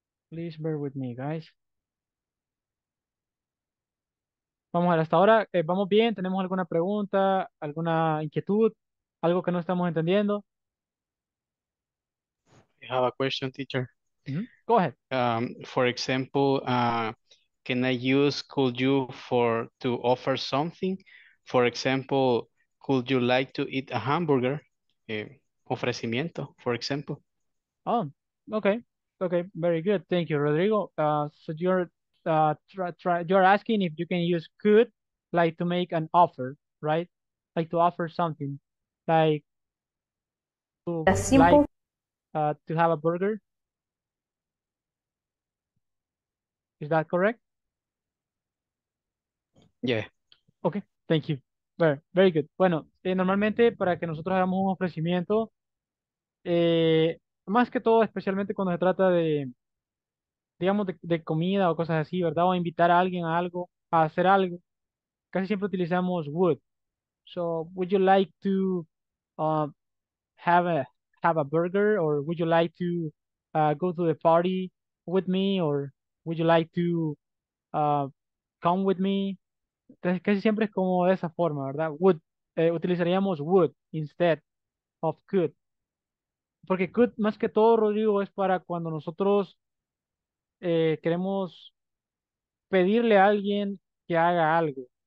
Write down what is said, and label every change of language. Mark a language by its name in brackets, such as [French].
[English] Please bear with me, guys. [Spanish] Vamos a ver, hasta ahora vamos bien, tenemos alguna pregunta, alguna inquietud, algo que no estamos entendiendo. [English] I have a question, teacher. Mm-hmm. Go ahead. For example, can I use could you for to offer something? For example, could you like to eat a hamburger? [Spanish] Ofrecimiento, [English] for example. Oh, okay. Okay, very good. Thank you, Rodrigo. So you're asking if you can use could, like to make an offer, right? Like to offer something, like to, a simple, like, to have a burger. Is that correct? Yeah. Okay, thank you. Very, very good. [Spanish] Bueno, normalmente para que nosotros hagamos un ofrecimiento, más que todo, especialmente cuando se trata de, digamos, de comida o cosas así, ¿verdad? O invitar a alguien a algo, a hacer algo. Casi siempre utilizamos would. [English] So, would you like to have a burger? Or would you like to go to the party with me? Or would you like to come with me? [Spanish] Entonces, casi siempre es como de esa forma, ¿verdad? [English] Would, [Spanish] utilizaríamos [English] would instead of could. [Spanish] Porque could, más que todo, Rodrigo, es para cuando nosotros queremos pedirle a alguien que haga algo.